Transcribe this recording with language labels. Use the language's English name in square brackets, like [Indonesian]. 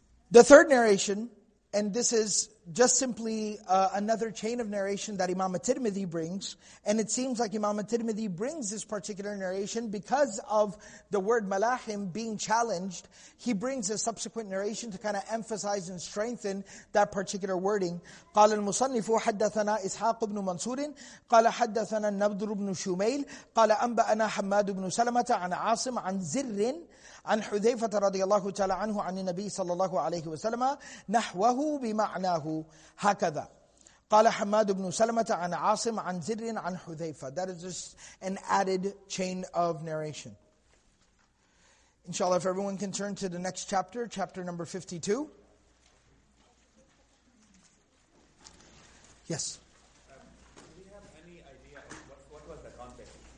[English] The third narration, and this is just simply another chain of narration that Imam At-Tirmidhi brings. And it seems like Imam At-Tirmidhi brings this particular narration because of the word malahim being challenged. He brings a subsequent narration to kind of emphasize and strengthen that particular wording. [Arabic] قال المصنف حدثنا إسحاق بن منصور قال حدثنا النضر بن شميل قال أنبأنا حماد بن سلمة عن عاصم عن زر عن حذيفة رضي الله تعالى عنه عن النبي صلى الله عليه وسلم نحوه بمعناه هكذا قال حماد بن سلمة عن عاصم عن زر عن حذيفة. [English] That is just an added chain of narration. Inshallah, if everyone can turn to the next chapter, chapter number 52. Yes. Do we have any idea what was the context?